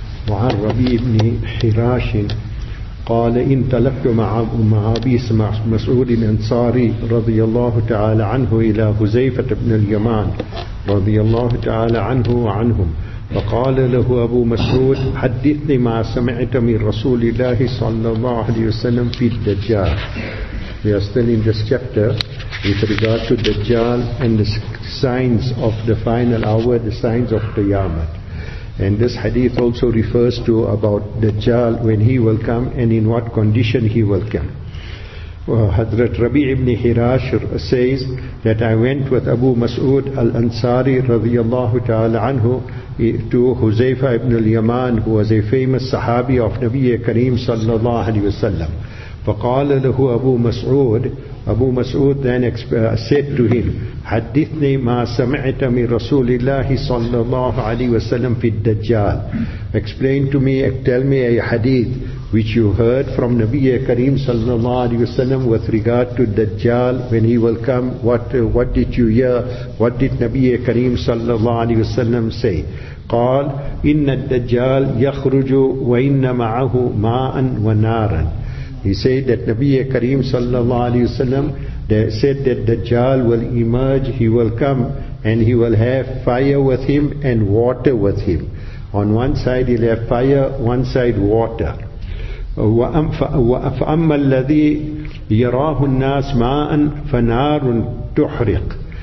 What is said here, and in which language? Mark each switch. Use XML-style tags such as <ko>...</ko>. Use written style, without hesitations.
<ar>وعن ربيع بن حراش قال إن تلفت مع أبي مسعود الأنصاري رضي الله تعالى عنه إلى حذيفة بن اليمان رضي الله تعالى عنه وعنهم، فقال له أبو مسعود: حدثني ما سمعت من رسول الله صلى الله عليه وسلم في الدجال.</ar> <en>We are still in this chapter with regard to Dajjal and the signs of the final hour, the signs of Qiyamah. And this hadith also refers to about Dajjal, when he will come and in what condition he will come. Hadrat Rabi ibn Hirash says that I went with Abu Mas'ud al-Ansari radiyallahu ta'ala anhu to Huzaifa ibn al-Yaman, who was a famous sahabi of Nabiya Kareem sallallahu alayhi wa sallam.</en> <ar>فقال له أبو مسعود، أبو مسعود</ar> <en>then said to him:</en> <ar>حدثني ما سمعت من رسول الله صلى الله عليه وسلم في الدجال.</ar> <en>Explain to me, tell me a hadith which you heard from Nabiya Kareem صلى الله عليه وسلم with regard to Dajjal, when he will come. What did you hear? What did Nabiya Kareem صلى الله عليه وسلم say?</en> <ar>قال: إن الدجال يخرج وإن معه ماء ونارا.</ar> <en>He said that Nabiya Kareem sallallahu alayhi wa sallam said that Dajjal will emerge, he will come and he will have fire with him and water with him. On one side he'll have fire, one side water.</en> <ar>وَأَمَّا الَّذِي يَرَاهُ النَّاسِ مَاءً فَنَارٌ تُحْرِقُ.</ar>